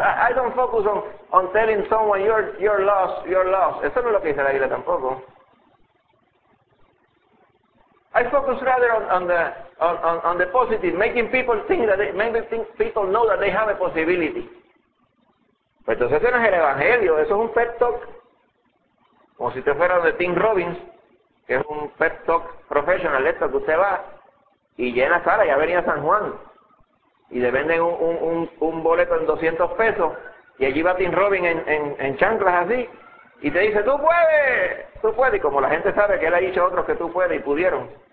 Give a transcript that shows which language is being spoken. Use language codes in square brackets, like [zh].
[en] I don't focus on telling someone you're lost. [es] Eso no es lo que dice la Biblia tampoco. [en] I focus rather on the positive, making people think that people know that they have a possibility. [es] Pues entonces eso no es el Evangelio, eso es un pep talk. Como si usted fuera de Tim Robbins, que es un pep talk profesional, esto que usted va y llena sala, ya venía San Juan, y le venden un boleto en 200 pesos, y allí va Tim Robbins en chanclas así, y te dice, tú puedes, y como la gente sabe que él ha dicho a otros que tú puedes, y pudieron